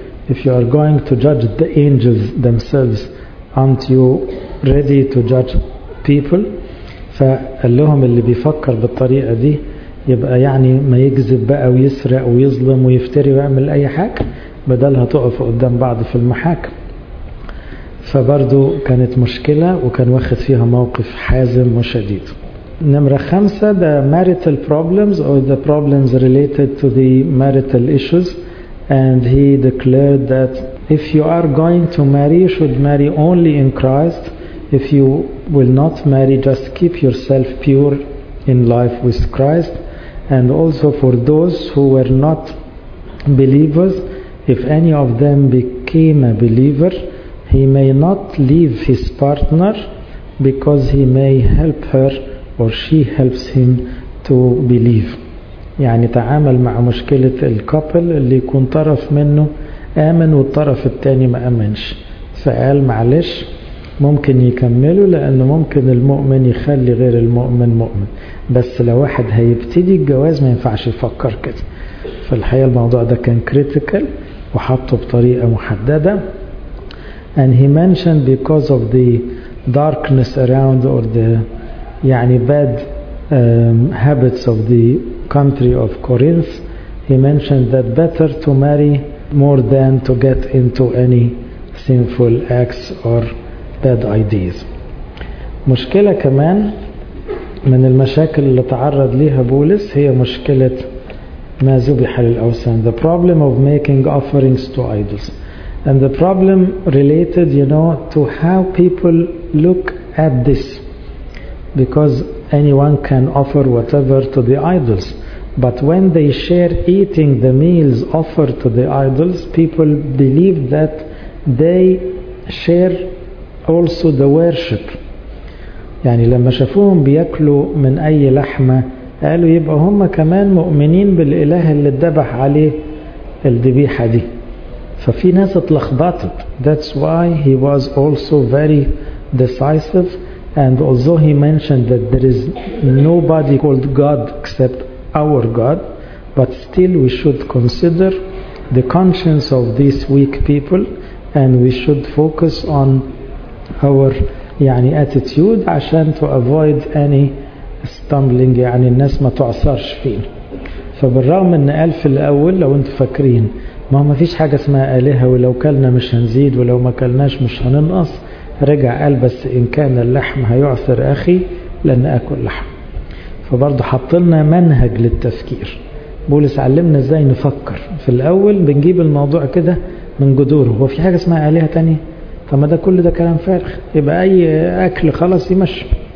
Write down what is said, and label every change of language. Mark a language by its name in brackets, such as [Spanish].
[English] If you are going to judge the angels themselves, aren't you ready to judge people? [Arabic] فقال لهم اللي بيفكر بالطريقة دي يبقى يعني ما يكذب بقى ويسرق ويظلم ويفتري ويعمل أي حاجة بدلها تقف قدام بعض في المحاكم. فبرضو كانت مشكلة وكان واخد فيها موقف حازم وشديد. نمرة [English] 5 the marital problems or the problems related to the marital issues. And he declared that if you are going to marry, you should marry only in Christ. If you will not marry, just keep yourself pure in life with Christ. And also for those who were not believers, if any of them became a believer, he may not leave his partner because he may help her or she helps him to believe. [Arabic] يعني تعامل مع مشكلة الكابل اللي يكون طرف منه آمن والطرف التاني ما آمنش، فقال معلش ممكن يكملوا لأنه ممكن المؤمن يخلي غير المؤمن مؤمن، بس لو واحد هيبتدي الجواز ما ينفعش يفكر كده. فالحقيقة الموضوع ده كان كريتيكال وحطه بطريقة محددة. [English] And he mentioned because of the darkness around or the [Arabic] يعني [English] bad habits of the country of Corinth, he mentioned that better to marry more than to get into any sinful acts or bad ideas. [Arabic] مشكلة كمان من المشاكل اللي تعرض ليها بولس هي مشكلة ما ذبح للأوثان. [English] The problem of making offerings to idols. And the problem related, you know, to how people look at this. Because anyone can offer whatever to the idols. But when they share eating the meals offered to the idols, people believe that they share also the worship. [Arabic] يعني لما شافوهم بيأكلوا من أي لحمة قالوا يبقى هم كمان مؤمنين بالإله اللي اتذبح عليه الذبيحة دي. ففي ناس اتلخبطت. [English] That's why he was also very decisive. And although he mentioned that there is nobody called God except our God, but still we should consider the conscience of these weak people and we should focus on our [Arabic] يعني [English] attitude [Arabic] عشان [English] to avoid any stumbling, [Arabic] يعني الناس ما تعصرش فيه. فبالرغم ان قال في الاول لو انتوا فاكرين ما هو ما فيش حاجة اسمها آلهة، ولو كلنا مش هنزيد ولو ما كلناش مش هننقص. رجع قال بس إن كان اللحم هيعثر أخي لن أكل لحم. فبرضو حطلنا منهج للتفكير. بولس علمنا ازاي نفكر. في الأول بنجيب الموضوع كده من جذوره، هو في حاجة اسمها آلهة تانية؟ فما ده كل ده كلام فارغ، يبقى أي أكل خلاص يمشي.